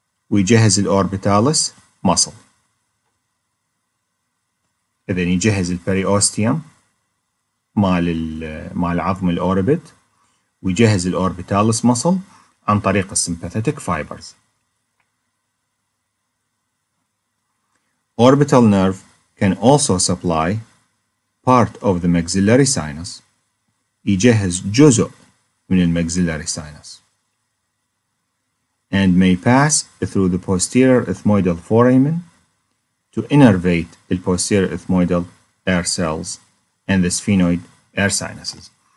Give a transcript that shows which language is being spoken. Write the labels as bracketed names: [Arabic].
[Arabic] ويجهز الأوربيتاليس مصل. إذا يجهز البريوستيوم مال عظم الأوربت. ويجهز الأوربيتاليس مصل عن طريق السمباثيتك فايبرز. [English] Orbital nerve can also supply part of the maxillary sinus. [Arabic] يجهز جزء من المaxillary sinus. [English] And may pass through the posterior ethmoidal foramen to innervate the posterior ethmoidal air cells and the sphenoid air sinuses.